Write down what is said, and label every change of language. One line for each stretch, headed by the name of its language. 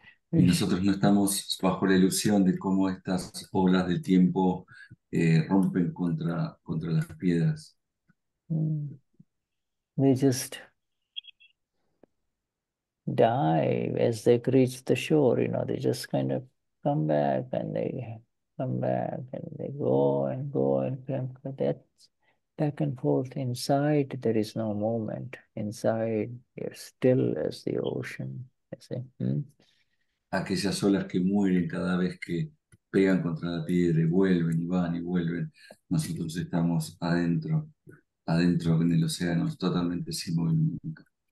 Spanish: Y nosotros no estamos bajo la ilusión de cómo estas olas del tiempo rompen contra las piedras.
English: They just dive as they reach the shore, you know, they just kind of come back and they come back and they go and go and come. That's back and forth. Inside, there is no movement. Inside, you're still as the ocean, you see.
Spanish: Aquellas olas que mueren cada vez que pegan contra la piedra y vuelven y van y vuelven. Nosotros estamos adentro, adentro en el océano, totalmente sin movimiento.